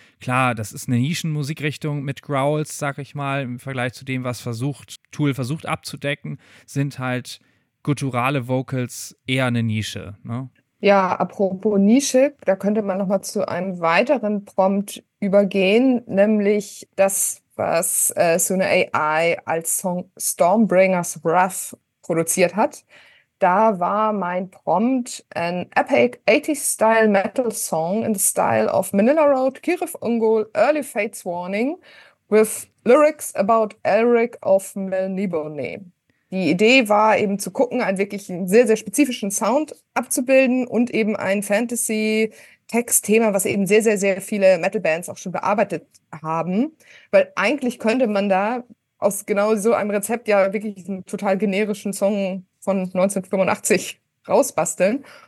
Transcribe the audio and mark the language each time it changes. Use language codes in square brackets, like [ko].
[de] Klar, das ist eine Nischenmusikrichtung mit Growls, sag ich mal, im Vergleich zu dem, was Tool versucht abzudecken, sind halt gutturale Vocals eher eine Nische, ne? Ja, apropos Nische, da könnte man nochmal zu einem weiteren Prompt übergehen, nämlich das, was Suna AI als Song Stormbringer's Wrath produziert hat. Da war mein Prompt [en] an epic 80s-style metal song in the style of Manila Road, Kirif Ungol, Early Fates Warning with lyrics about Elric of Melniboné. [de] Die Idee war eben zu gucken, einen wirklich sehr, sehr spezifischen Sound abzubilden und eben ein Fantasy-Text-Thema, was eben sehr, sehr, sehr viele Metal-Bands auch schon bearbeitet haben. Weil eigentlich könnte man da aus genau so einem Rezept ja wirklich einen total generischen Song von 1985 rausbasteln.